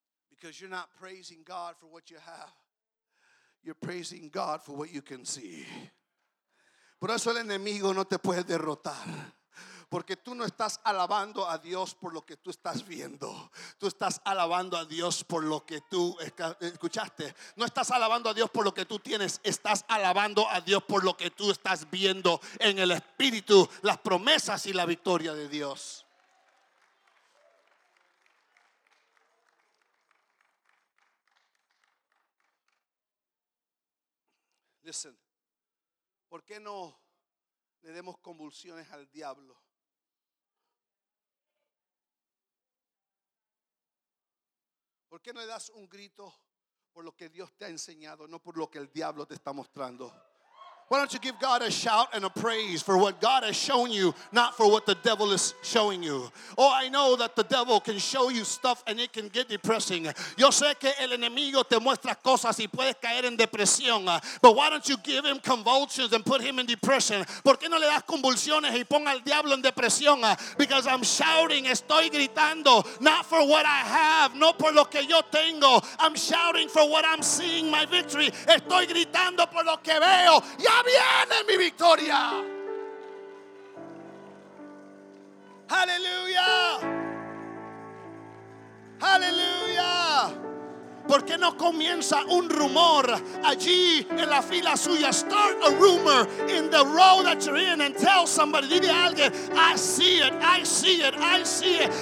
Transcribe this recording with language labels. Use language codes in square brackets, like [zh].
[en] Because you're not praising God for what you have. You're praising God for what you can see. [es] Por eso el enemigo no te puede derrotar. Porque tú no estás alabando a Dios por lo que tú estás viendo. Tú estás alabando a Dios por lo que tú escuchaste. No estás alabando a Dios por lo que tú tienes. Estás alabando a Dios por lo que tú estás viendo en el Espíritu. Las promesas y la victoria de Dios. Listen, ¿por qué no le demos convulsiones al diablo? ¿Por qué no le das un grito por lo que Dios te ha enseñado, no por lo que el diablo te está mostrando? [en] Why don't you give God a shout and a praise for what God has shown you, not for what the devil is showing you? Oh, I know that the devil can show you stuff and it can get depressing. [es] Yo sé que el enemigo te muestra cosas y puedes caer en depresión. [en] But why don't you give him convulsions and put him in depression? [es] ¿Por qué no le das convulsiones y ponga al diablo en depresión? [en] Because I'm shouting, [es] estoy gritando, [en] not for what I have, [es] no por lo que yo tengo. [en] I'm shouting for what I'm seeing, my victory. [es] Estoy gritando por lo que veo. Ya viene mi victoria. Aleluya. Aleluya. ¿Por qué no comienza un rumor allí en la fila suya? [en] Start a rumor in the row that you're in and tell somebody, [es] dile a alguien, [en] I see it, I see it, I see it.